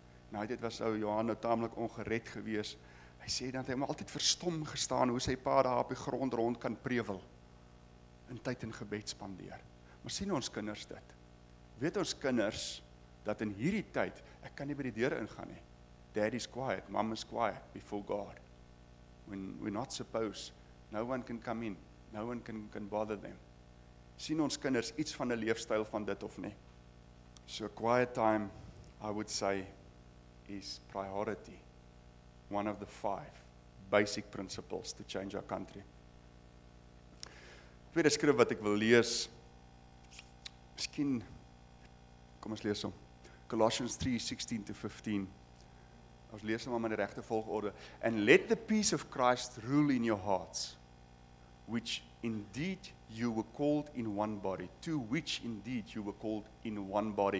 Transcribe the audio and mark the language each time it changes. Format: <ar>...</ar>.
<af>Nou dit was ou Johan nou tamelik ongered gewees. Hy sê dat hy hom altyd verstom gestaan hoe sy pa daar op die grond rond kan prevel in tyd en gebed spandeer. Maar sien ons kinders dit? Weet ons kinders dat in hierdie tyd ek kan nie by die deur ingaan nie.</af> <en>Daddy's quiet, mama's quiet before God. When we're not supposed, no one can come in. No one can bother them.</en> <af>Sien ons kinders iets van 'n leefstyl van dit of nie?</af> <en>So quiet time, I would say, is priority. One of the 5 basic principles to change our country.</en> <af>Tweede skrif wat ek wil lees, miskien, kom ons lees hom, Colossians 3:16-15, ons lees hom in die regte volgorde,</af> <en>and let the peace of Christ rule in your hearts, which indeed you were called in one body, to which indeed you were called in one body.</en>